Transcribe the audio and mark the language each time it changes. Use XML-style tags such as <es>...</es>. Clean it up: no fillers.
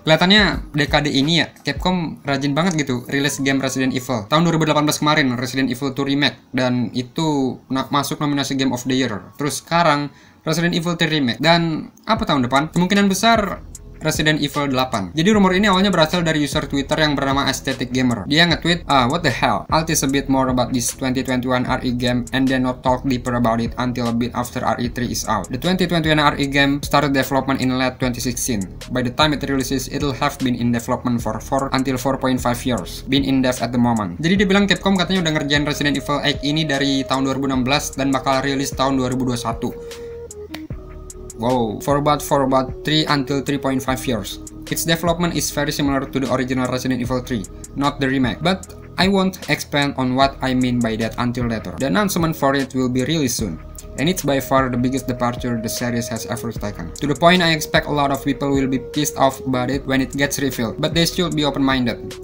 <id>Kelihatannya dekade ini ya Capcom rajin banget gitu rilis game Resident Evil. Tahun 2018 kemarin Resident Evil 2 Remake, dan itu masuk nominasi Game of the Year. Terus sekarang Resident Evil 3 Remake, dan apa tahun depan? Kemungkinan besar Resident Evil 8. Jadi rumor ini awalnya berasal dari user Twitter yang bernama Aesthetic Gamer. Dia nge-tweet,</id> <en>what the hell? I'll tease a bit more about this 2021 RE game and then not talk deeper about it until a bit after RE3 is out. The 2021 RE game started development in late 2016. By the time it releases, it'll have been in development for 4 until 4.5 years, been in dev at the moment.</en> <id>Jadi dia bilang Capcom katanya udah ngerjain Resident Evil 8 ini dari tahun 2016 dan bakal rilis tahun 2021.</id> <en>Wow, for about 3 until 3.5 years. Its development is very similar to the original Resident Evil 3, not the remake. But I won't expand on what I mean by that until later. The announcement for it will be really soon, and it's by far the biggest departure the series has ever taken. To the point I expect a lot of people will be pissed off about it when it gets revealed, but they should be open-minded.</en>